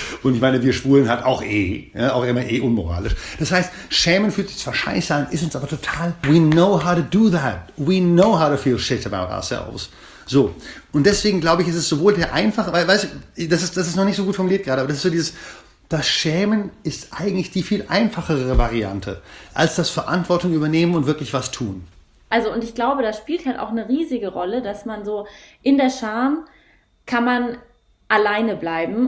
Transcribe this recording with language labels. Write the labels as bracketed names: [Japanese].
[German] Und ich meine, wir Schwulen halt auch eh, ja, auch immer eh unmoralisch. Das heißt, schämen fühlt sich zwar scheiße an, ist uns aber total, [English] we know how to do that. We know how to feel shit about ourselves. [German] So, und deswegen glaube ich, ist es sowohl der einfache, weil, weißt du, das ist noch nicht so gut formuliert gerade, aber das ist so dieses, das Schämen ist eigentlich die viel einfachere Variante als das Verantwortung übernehmen und wirklich was tun. Also, und ich glaube, das spielt halt auch eine riesige Rolle, dass man so in der Scham kann man alleine bleiben.